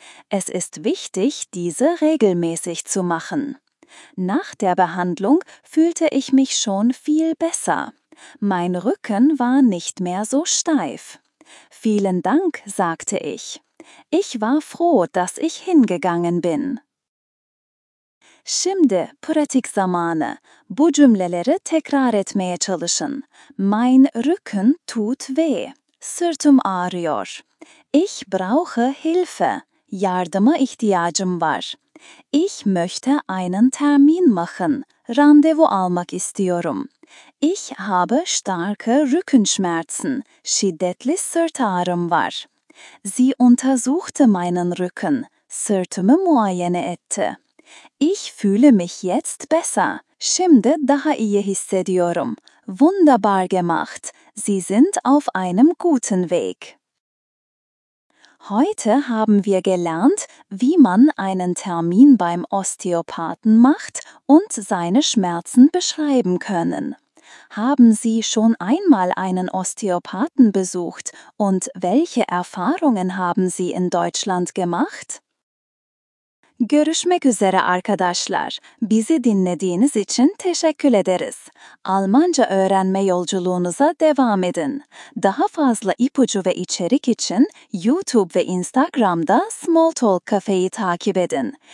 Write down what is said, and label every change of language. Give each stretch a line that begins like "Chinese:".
German: Es ist wichtig, diese regelmäßig zu machen. Nach der Behandlung fühlte ich mich schon viel besser. Mein Rücken war nicht mehr so steif. Vielen Dank, sagte ich. Ich war froh, dass ich hingegangen bin.
Turkish: Şimdi pratik zamanı. Bu cümleleri tekrar etmeye çalışın.
German: Mein Rücken tut weh.
Turkish: Sırtım ağrıyor.
German: Ich brauche Hilfe.
Turkish: Yardıma ihtiyacım var.
German: Ich möchte einen Termin machen.
Turkish: Randevu almak istiyorum.
German: Ich habe starke Rückenschmerzen.
Turkish: Şiddetli sırt ağrım var.
German: Sie untersuchte meinen Rücken.
Turkish: Sırtımı muayene etti.
German: Ich fühle mich jetzt besser.
Turkish: Şimdi daha iyi hissediyorum.
German: Wunderbar gemacht. Sie sind auf einem guten Weg. Heute haben wir gelernt, wie man einen Termin beim Osteopathen macht und seine Schmerzen beschreiben können. Haben Sie schon einmal einen Osteopathen besucht und welche Erfahrungen haben Sie in Deutschland gemacht?
Turkish: Görüşmek üzere arkadaşlar. Bizi dinlediğiniz için teşekkür ederiz. Almanca öğrenme yolculuğunuza devam edin. Daha fazla ipucu ve içerik için YouTube ve Instagram'da Smalltalk Cafe'yi takip edin.